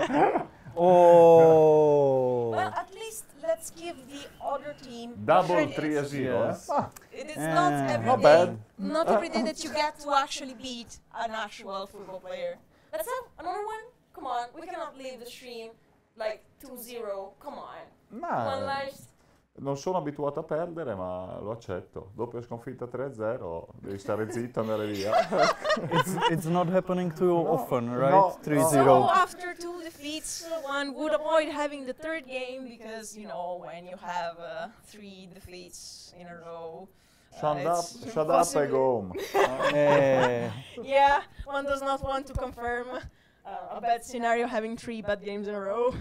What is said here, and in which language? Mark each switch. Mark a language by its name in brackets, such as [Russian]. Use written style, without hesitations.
[English] Well, at least let's give the other team double 3-0. Yes. It is not every day that you get to actually beat an actual football player. Let's have another one. Come on, we cannot leave the stream like 2-0. Come on. [Italian] Non sono abituato a perdere, ma lo accetto. Dopo la sconfitta 3-0, devi stare zitto e andare via. [English] It's not happening too often, right? No, 3-0. So after two defeats, one would avoid having the third game because, you know, when you have three defeats in a row, shut up and go home. Yeah, one does not want to confirm a bad scenario having three bad games in a row.